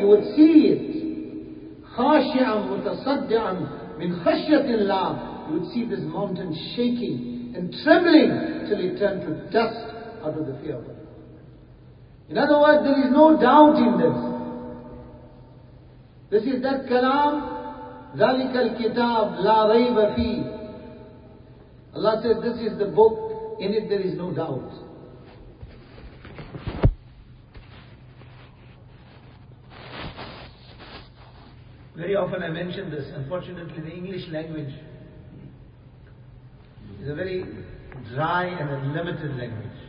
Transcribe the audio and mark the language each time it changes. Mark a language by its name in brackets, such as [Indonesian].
[English] You would see it. [Arabic] خَاشِعًا مُتَصَدِّعًا مِنْ خَشْيَةِ اللَّهِ. [English] You would see this mountain shaking and trembling till it turned to dust out of the fear of Allah. In other words, there is no doubt in this. This is that kalam, [Arabic] ذَلِكَ الْكِتَابْ لَا رَيْبَ فِيهِ. [English] Allah says, this is the book, in it there is no doubt. Very often I mention this, unfortunately the English language is a very dry and a limited language.